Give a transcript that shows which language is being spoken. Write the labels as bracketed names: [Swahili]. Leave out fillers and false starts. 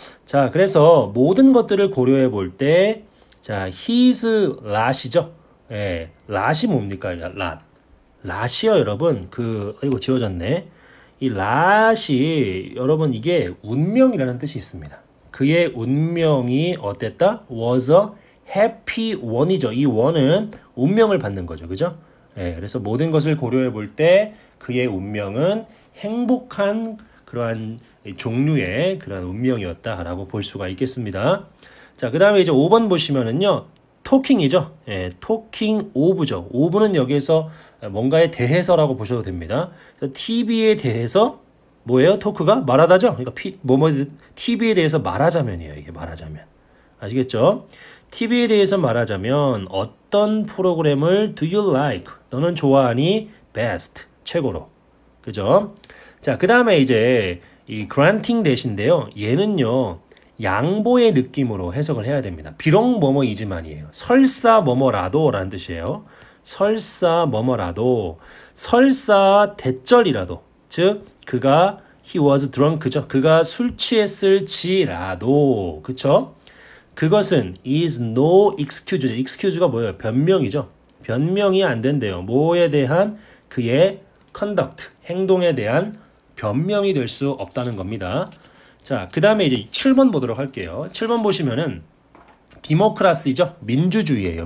[Korean] 자, 그래서 모든 것들을 고려해 볼 때, 자, his lot이죠? 예, lot이 뭡니까? lot. lot이요, 여러분. 아이고, 지워졌네. 이 lot이, 여러분, 이게 운명이라는 뜻이 있습니다. 그의 운명이 어땠다? [English] was a happy one이죠. [Korean] 이 one은 운명을 받는 거죠. 그죠? 예, 그래서 모든 것을 고려해 볼때 그의 운명은 행복한 그러한 종류의 그러한 운명이었다라고 볼 수가 있겠습니다. 자, 그 다음에 이제 5번 보시면은요, 토킹이죠. 예, 토킹 오브죠. 오브는 여기에서 뭔가에 대해서라고 보셔도 됩니다. 그래서 TV에 대해서 뭐예요? 토크가 말하다죠. 그러니까 TV에 대해서 말하자면이에요. 이게 말하자면 아시겠죠? TV에 대해서 말하자면 어떤 프로그램을 [English] do you like? [Korean] 너는 좋아하니? best 최고로 그죠? 자, 그 다음에 이제 이 granting 대신데요. 얘는요. 양보의 느낌으로 해석을 해야 됩니다. 비록 뭐뭐이지만이에요. 설사 뭐뭐라도라는 뜻이에요. 설사 뭐뭐라도, 설사 대절이라도, 즉 그가 [English] he was drunk [Korean] 죠. 그가 술 취했을지라도, 그쵸? [English] 그것은 is no excuse죠. [Korean] excuse가 뭐예요? 변명이죠. 변명이 안 된대요. 뭐에 대한 그의 conduct, 행동에 대한 변명이 될수 없다는 겁니다. 자, 그 다음에 이제 7번 보도록 할게요. 7번 보시면은 디모크라시죠? 민주주의예요.